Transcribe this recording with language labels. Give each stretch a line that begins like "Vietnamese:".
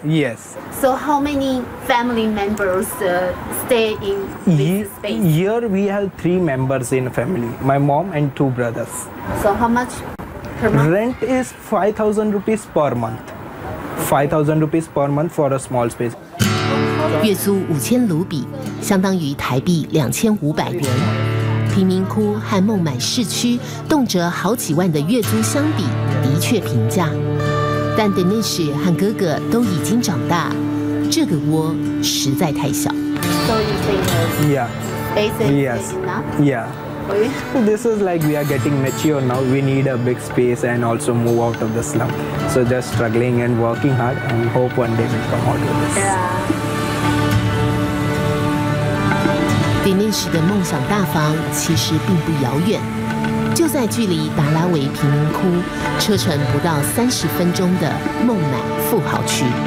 English: Yes. So how many family members stay in this space? Here we have three members in family. My mom and two brothers. So how much per month? Rent is 5,000 rupees per month. 5,000 rupees per month for a small space.
Chinese: 月租五千卢比，相当于台币2500元。贫民窟和孟买市区动辄好几万的月租相比，的确平价。但 Denish 和哥哥都已经长大，这个窝实在太小。
English: So you think that? Yeah. Basically, yes. Enough? Yeah. Okay. This is like we are getting mature now. We need a big space and also move out of the slum. So just struggling and working hard and hope one day we come out of this. Yeah.
Chinese: Denish 的梦想大房其实并不遥远，就在距离达拉维贫民窟车程不到30分钟的孟买富豪区。